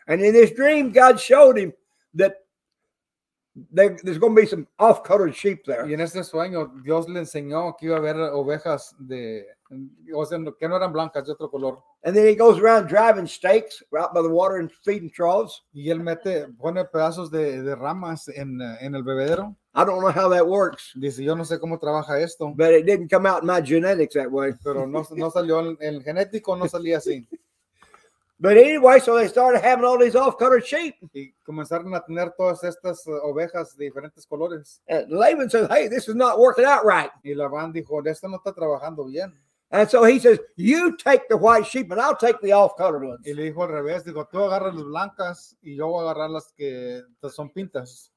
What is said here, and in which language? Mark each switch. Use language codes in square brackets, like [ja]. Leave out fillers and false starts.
[en] And in this dream, God showed him that there's going to be some off-colored sheep there. [es] Y en este sueño, Dios le enseñó que iba a haber ovejas de, o sea, que no eran blancas, de otro color. [en] And then he goes around driving stakes out by the water and feeding troughs. [es] Y él mete, pone pedazos de ramas en el bebedero. [en] I don't know how that works. [es] Dice, yo no sé cómo trabaja esto. [en] But it didn't come out in my genetics that way. [es] Pero no salió, el genético no salía así. [en] But anyway, so they started having all these off-colored sheep. [es] Y comenzaron a tener todas estas ovejas de diferentes colores. [en] And Laban says, hey, this is not working out right. [es] Y Labán dijo, esto no está trabajando bien. [en] And so he says, you take the white sheep and I'll take the off-colored ones. [es] Y le dijo al revés, dijo, tú agarras las blancas y yo voy a agarrar las que son pintas.